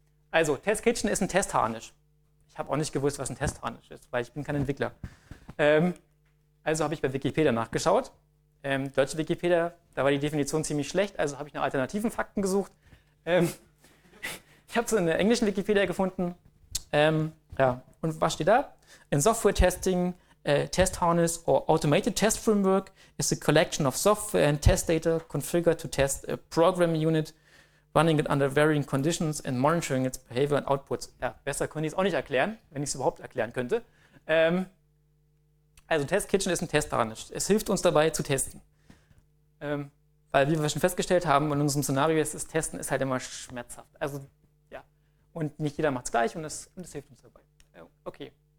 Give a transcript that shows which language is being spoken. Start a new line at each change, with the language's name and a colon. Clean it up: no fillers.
German: Also Test Kitchen ist ein Testharnisch. Ich habe auch nicht gewusst, was ein Testharnisch ist, weil ich bin kein Entwickler. Also habe ich bei Wikipedia nachgeschaut. Deutsche Wikipedia, da war die Definition ziemlich schlecht, also habe ich nach alternativen Fakten gesucht. Ich habe es in der englischen Wikipedia gefunden. Ja. Und was steht da?
English: In Software Testing, Test Harness or Automated Test Framework is a collection of software and test data configured to test a program unit, running it under varying conditions and monitoring its behavior and outputs.
German: Ja, besser könnte ich es auch nicht erklären, wenn ich es überhaupt erklären könnte. Also Test Kitchen ist ein Testharnisch. Es hilft uns dabei zu testen. Weil, wie wir schon festgestellt haben, in unserem Szenario ist das Testen ist halt immer schmerzhaft. Also, ja. Und nicht jeder macht es gleich und das hilft uns dabei. Okay.